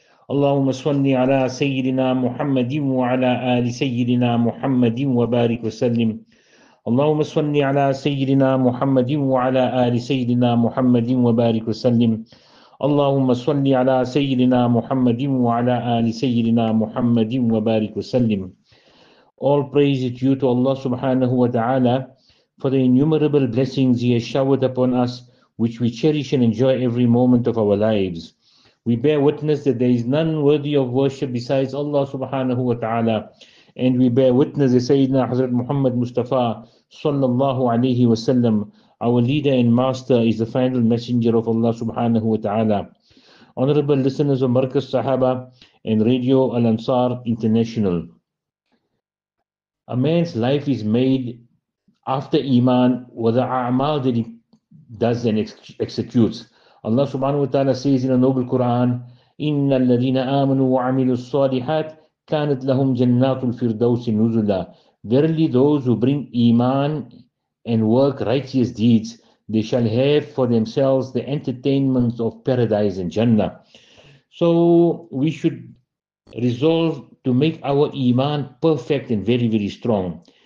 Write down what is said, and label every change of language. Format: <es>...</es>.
<ar>اللهم صل على سيدنا محمد وعلى آل سيدنا محمد وبارك وسلم. اللهم صل على سيدنا محمد وعلى آل سيدنا محمد وبارك وسلم. اللهم صل على سيدنا محمد وعلى آل سيدنا محمد وبارك وسلم.</ar> <en>All praise is due to Allah subhanahu wa ta'ala for the innumerable blessings He has showered upon us, which we cherish and enjoy every moment of our lives. We bear witness that there is none worthy of worship besides Allah subhanahu wa ta'ala. And we bear witness that Sayyidina Hazrat Muhammad Mustafa sallallahu alayhi wa sallam, our leader and master, is the final messenger of Allah subhanahu wa ta'ala. Honorable listeners of Markaz Sahaba and Radio Al Ansar International, a man's life is made after Iman with the a'mal that he does and executes. Allah subhanahu wa ta'ala says in the Noble Quran,</en> <ar>إِنَّ الَّذِينَ آمَنُوا وَعَمِلُوا الصَّالِحَاتِ كَانَتْ لَهُمْ جَنَّاتُ الْفِرْدَوْسِ نُزُلًا.</ar> <en>Verily those who bring Iman and work righteous deeds, they shall have for themselves the entertainments of paradise and Jannah. So we should resolve to make our Iman perfect and very, very strong.</en>